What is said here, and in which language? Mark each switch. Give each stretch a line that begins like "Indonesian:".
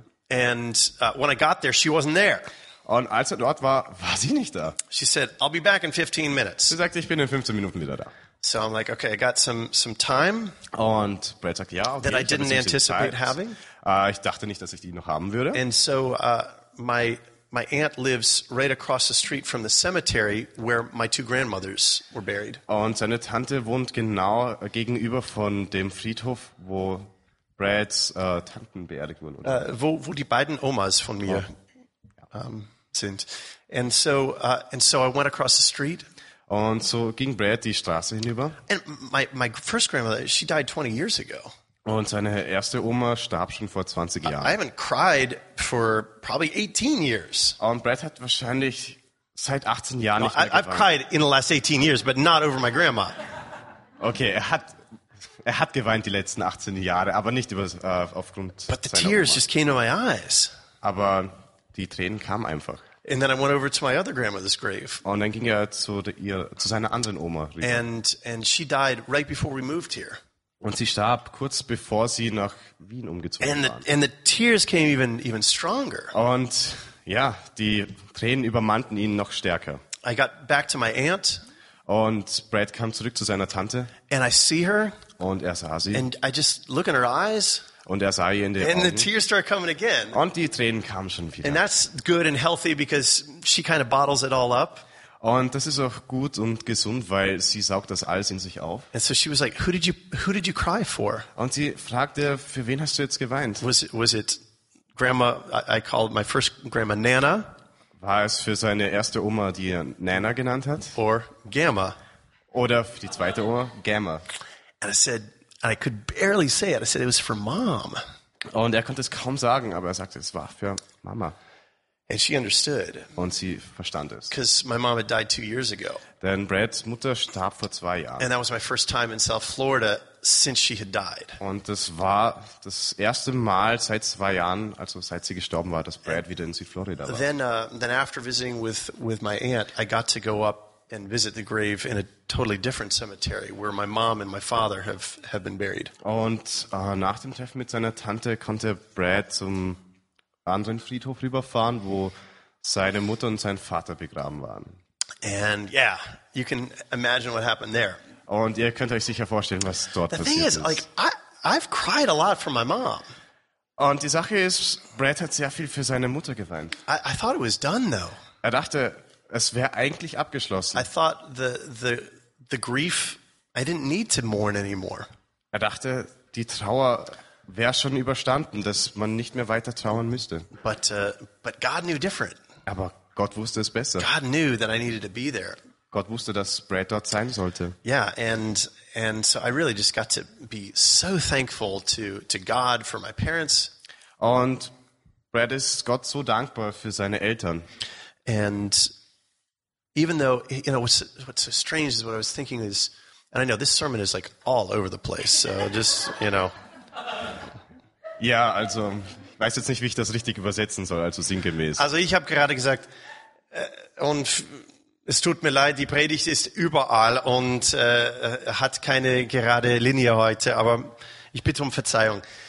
English: And when I got there, she wasn't there.
German: Und als er dort war, war sie nicht da.
English: She said, "I'll be back in 15 minutes."
German: Sie sagte, ich bin in 15 Minuten wieder da.
English: So I'm like, okay, I got some time.
German: Und Brad sagte, ja, okay.
English: That I didn't anticipate having.
German: Ich dachte nicht, dass ich die noch haben würde.
English: And so my aunt lives right across the street from the cemetery where my two grandmothers were buried.
German: Und seine Tante wohnt genau gegenüber von dem Friedhof, wo Brads Tanten beerdigt wurden. Wo die beiden Omas von mir sind.
English: And so I went across the street.
German: Und so ging Brad die Straße hinüber.
English: And my first grandmother, she died 20 years ago.
German: Und seine erste Oma starb schon vor 20 Jahren.
English: I haven't cried for probably 18 years.
German: Und Brad hat wahrscheinlich seit 18 Jahren nicht mehr geweint.
English: I've cried in the last 18 years, but not over my grandma.
German: Okay, er hat geweint die letzten 18 Jahre, aber nicht über aufgrund seiner Oma.
English: But the tears just came to my eyes.
German: Aber die Tränen kamen einfach.
English: And then I went over to my other grandmother's grave.
German: Und dann ging er zu seiner anderen Oma.
English: And she died right before we moved here.
German: Und sie starb kurz bevor sie nach Wien umgezogen waren.
English: And the tears came even stronger.
German: Und ja, die Tränen übermannten ihn noch stärker.
English: I got back to my aunt.
German: Und Brad kam zurück zu seiner Tante.
English: And I see her.
German: Und er sah sie.
English: And I just look in her eyes.
German: Und er sah ihr in die Augen.
English: And the tears start coming again.
German: Und die Tränen kamen schon wieder.
English: And that's good and healthy because she kind of bottles it all up.
German: Und das ist auch gut und gesund, weil sie saugt das alles in sich auf.
English: And so she was like, who did you cry for?
German: Und sie fragte, für wen hast du jetzt geweint?
English: Was it grandma, I called my first grandma Nana?
German: War es für seine erste Oma, die er Nana genannt hat?
English: Or Gamma?
German: Oder für die zweite Oma, Gamma?
English: And I said, and I could barely say it, I said it was for Mom.
German: Und er konnte es kaum sagen, aber er sagte, es war für Mama.
English: And she understood.
German: Und sie verstand es.
English: Because my mom had died 2 years ago.
German: Denn Brads Mutter starb vor 2 Jahren.
English: And that was my first time in South Florida since she had died.
German: Und das war das erste Mal seit 2 Jahren, also seit sie gestorben war, dass Brad wieder in Südflorida war.
English: Then after visiting with my aunt, I got to go up and visit the grave in a totally different cemetery where my mom and my father have been buried.
German: Und nach dem Treffen mit seiner Tante konnte Brad zum anderen Friedhof rüberfahren, wo seine Mutter und sein Vater begraben waren.
English: And yeah, you can imagine what happened there.
German: Und ihr könnt euch sicher vorstellen, was dort passiert ist.
English: Like, I've cried a lot for my mom.
German: Und die Sache ist, Brad hat sehr viel für seine Mutter geweint.
English: I thought it was done though.
German: Er dachte, es wäre eigentlich abgeschlossen.
English: I thought the grief, I didn't need to mourn anymore.
German: Er dachte, die Trauer wäre schon überstanden, dass man nicht mehr weiter trauern müsste.
English: But God knew different.
German: Aber Gott wusste es besser.
English: God knew that I needed to be there.
German: Gott wusste, dass Brad dort sein sollte.
English: Yeah, and so I really just got to be so thankful to God for my parents.
German: Und Brad ist Gott so dankbar für seine Eltern.
English: And even though, you know, what's so strange is what I was thinking is, and I know this sermon is like all over the place, so just, you know.
German: Ja, also, ich weiß jetzt nicht, wie ich das richtig übersetzen soll, also sinngemäß. Also ich habe gerade gesagt, und es tut mir leid, die Predigt ist überall und hat keine gerade Linie heute, aber ich bitte um Verzeihung.